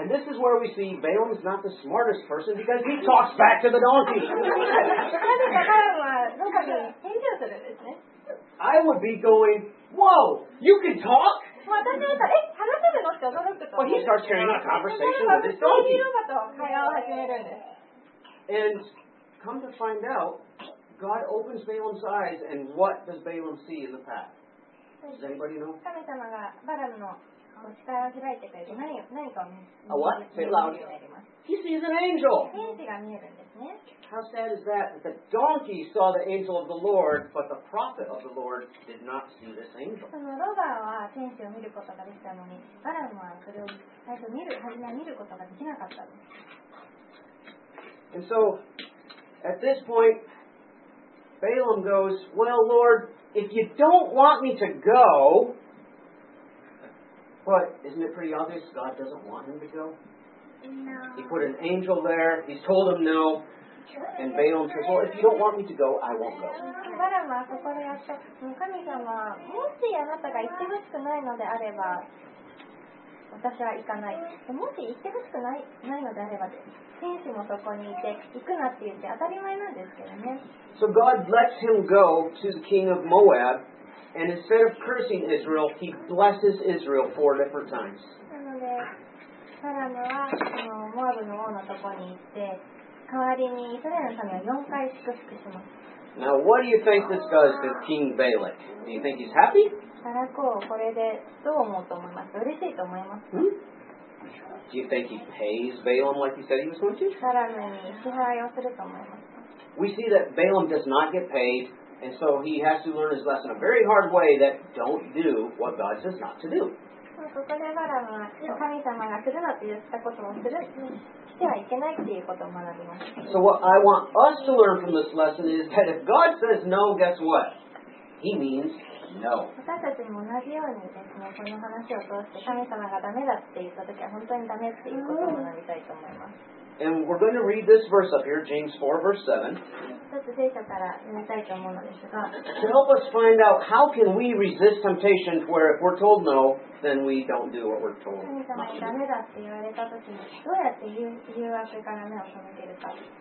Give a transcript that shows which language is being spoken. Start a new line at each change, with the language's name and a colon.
English: And this is where we see Balaam is not the smartest person because he talks back to the donkey.
Japanese: なぜかバラムはロバに返事をするんですね。
English: I would be going, "Whoa, you can talk?"
Japanese: 私は言ったら、話せるのって驚くと。
English: But he starts carrying a conversation with this donkey.
Japanese: ロバと会話を始めるんです。
English: And come to find out, God opens Balaam's eyes, and what does Balaam see in the path? Does anybody know?
Japanese: 神様がバラムの視界を開いてくれて、何かを見るようになります。
English: A what? Say it loud. He sees an angel.
Japanese: 天使が見えるんですね。
English: How sad is that? The donkey saw the angel of the Lord, but the prophet of the Lord did not see this angel.
Japanese: そのロバは天使を見ることができたのに、バラムはそれを最初見る、初めは見ることができなかったです。
English: And so, at this point, Balaam goes, "Well, Lord, if you don't want me to go, but isn't it pretty obvious God doesn't want him to go? No. He put an angel there. He's told him no. And Balaam says, "Well, if you don't want me to go, I won't go."
Japanese: バラムはここでやった。もう神様、もしあなたが行ってほしくないのであれば、私は行かない。もし行ってほしくないのであれば、天使もそこにいて行くなって言って当たり前なんですけどね。
English: So God lets him go to the king of Moab, and instead of cursing Israel, he blesses Israel four different times.
Japanese: なので、バラムはモアブの王のとこに行って、代わりにイスラエルの民を4回祝福します。
English: Now, what do you think this does to King Balak? Do you think he's happy?
Japanese: バラク王、これでどう思うと思います？嬉しいと思います。
English: Hmm? Do you think he pays Balaam like he said he was going to?
Japanese: バラムに支払いをすると思います。
English: We see that Balaam does not get paid, and so he has to learn his lesson a very hard way that don't do what God says not to do.
Japanese: ここでバラムは神様がするなと言ったことをするしてはいけないっていうことを学びます。
English: So what I want us to learn from this lesson is that if God says no, guess what? He means No.
Japanese: 私たちも同じようにですね、この話を通して神様がダメだって言ったときは本当にダメっていうことを学びたいと思います。
English: And we're going to read this verse up here, James 4, verse 7.
Japanese: ちょっと聖書から読みたいと思うのですが、
English: To help us find out how can we resist temptation where if we're told no, then we don't do what we're told.
Japanese: 神様がダメだって言われたときに、どうやって誘惑から目を背けるか。